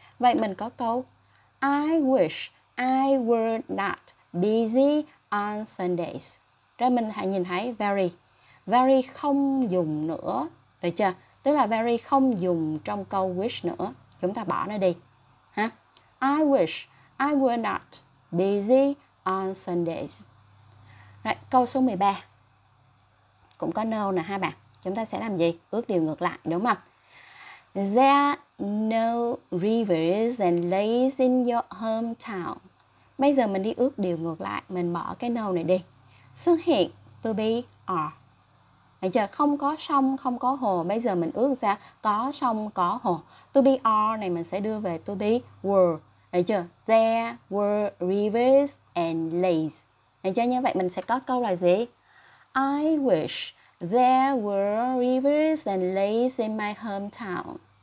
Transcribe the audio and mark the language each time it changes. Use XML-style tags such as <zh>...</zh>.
<vi>Vậy mình có câu</vi> <en>I wish I were not busy on Sundays.</en> <vi>Rồi mình hãy nhìn thấy very. Very không dùng nữa. Được chưa? Tức là very không dùng trong câu wish nữa. Chúng ta bỏ nó đi. Ha?</vi> <en>I wish I were not busy on Sundays.</en> <vi>Rồi, câu số 13. Cũng có no nè ha bạn. Chúng ta sẽ làm gì? Ước điều ngược lại, đúng không?</vi> <en>There are no rivers and lakes in your hometown.</en> <vi>Bây giờ mình đi ước điều ngược lại. Mình bỏ cái no này đi. Xuất hiện to be are. Bây giờ không có sông, không có hồ. Bây giờ mình ước sao? Có sông, có hồ. To be are này mình sẽ đưa về to be were. Đấy chưa?</vi> <en>There were rivers and lakes.</en> <vi>Đấy chưa? Như vậy mình sẽ có câu là gì?</vi> <en>I wish there were rivers and lakes in my hometown.</en>